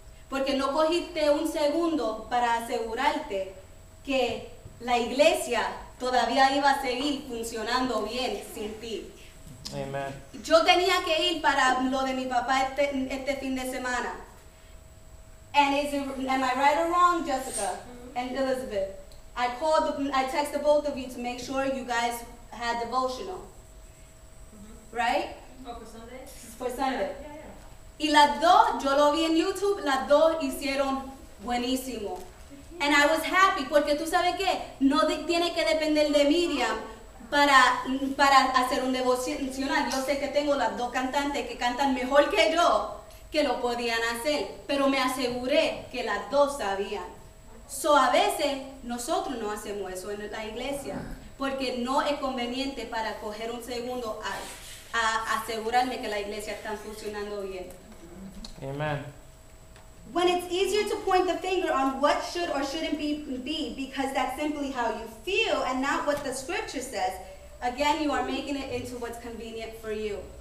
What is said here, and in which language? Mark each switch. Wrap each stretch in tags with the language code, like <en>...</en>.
<es>Porque no cogiste un segundo para asegurarte que la iglesia todavía iba a seguir funcionando bien sin ti. Amen. Yo tenía que ir para lo de mi papá este fin de semana.</es> <en>And is it, am I right or wrong, Jessica and Elizabeth? I texted both of you to make sure you guys had devotional. Right? Oh, for Sunday? For Sunday. Yeah, yeah, yeah.</en> <es>Y las dos, yo lo vi en YouTube, las dos hicieron buenísimo.</es> <en>And I was happy,</en> <es>porque tú sabes qué, no tiene que depender de Mirian para hacer un devocional. Yo sé que tengo las dos cantantes que cantan mejor que yo, que lo podían hacer, pero me aseguré que las dos sabían. So a veces nosotros no hacemos eso en la iglesia, porque no es conveniente para coger un segundo a asegurarme que la iglesia está funcionando bien. Amen.</es> <en>When it's easier to point the finger on what should or shouldn't be because that's simply how you feel and not what the scripture says, again, you are making it into what's convenient for you.</en>